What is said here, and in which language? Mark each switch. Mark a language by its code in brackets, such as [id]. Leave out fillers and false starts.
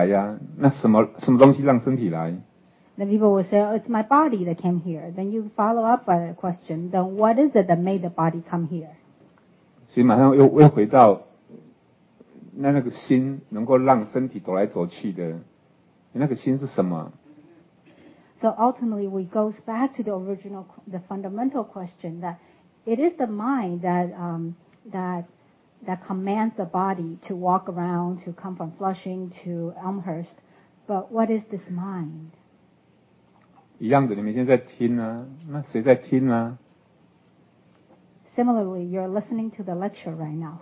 [zh] 可能可以讲说,那就身体来呀,那什么东西让身体来? [en] Then people will say, oh, it's my body that came here. Then you follow up by the question, then what is it that made the body come here? [zh] 所以马上又回到那个心能够让身体走来走去的，那个心是什么？ [en] So ultimately, we go back to the original, the fundamental question that it is the mind that, that commands the body to walk around, to come from Flushing to Elmhurst. But what is this mind? [zh] 一样的,你们现在在听啊,那谁在听啊? [en] Similarly, you're listening to the lecture right now.